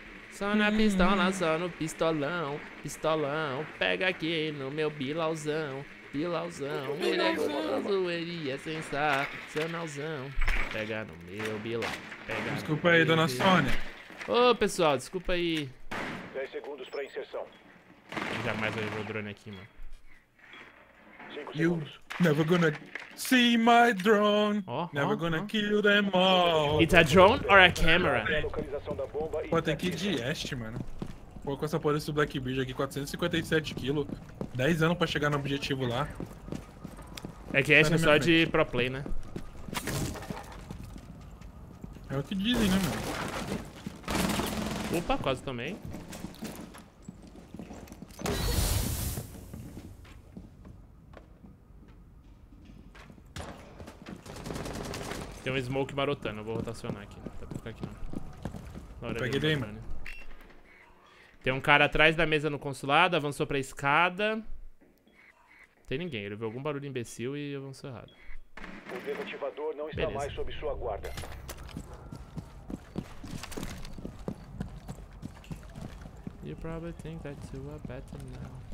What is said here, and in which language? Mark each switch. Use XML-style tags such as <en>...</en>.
<pt>Só na pistola, só no pistolão. Pistolão, pega aqui no meu bilauzão. Bilauzão, ele é gostoso, ele é sensacionalzão. Pega no meu bilau. Pega desculpa aí, dona Sônia. Ô, pessoal, desculpa aí. 10 segundos pra inserção. Eu jamais vou ver o drone aqui, mano.</pt> <en>You never gonna see my drone. Never gonna kill them all. It's a drone or a camera?</en> <pt>Pô, tem que ir de este, mano. Pô, com essa porra desse Black Bridge aqui, 457 kg. 10 anos pra chegar no objetivo lá. É que este é só de pro play, né? É o que dizem, né, mano? Opa, quase tomei. Tem um smoke marotando, eu vou rotacionar aqui. Não dá pra ficar aqui, não. Peguei bem, mano. Tem um cara atrás da mesa no consulado, avançou pra escada. Tem ninguém, ele viu algum barulho imbecil e avançou errado. O desativador não está mais sob sua guarda.</pt> <en>You probably think that you are better now.</en>